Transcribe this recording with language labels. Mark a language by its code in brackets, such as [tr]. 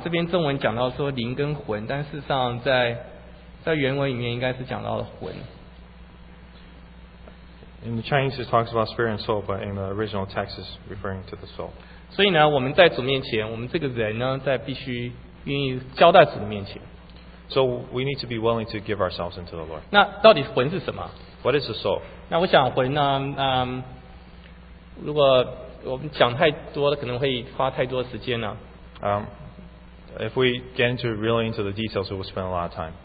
[zh] 这边中文讲到说灵跟魂，但事实上在原文里面应该是讲到了魂。 [en] In the Chinese, it talks about spirit and soul, but in the original text, it's referring to the soul. [zh] 所以呢，我们在主面前，我们这个人呢，在必须愿意交在主的面前。 [en] So we need to be willing to give ourselves into the Lord. [zh] 那到底魂是什么？ [en] What is the soul? [zh] 那我想魂呢，如果我们讲太多了，可能会花太多时间了。 [en] If we get into really into the details, we will spend a lot of time.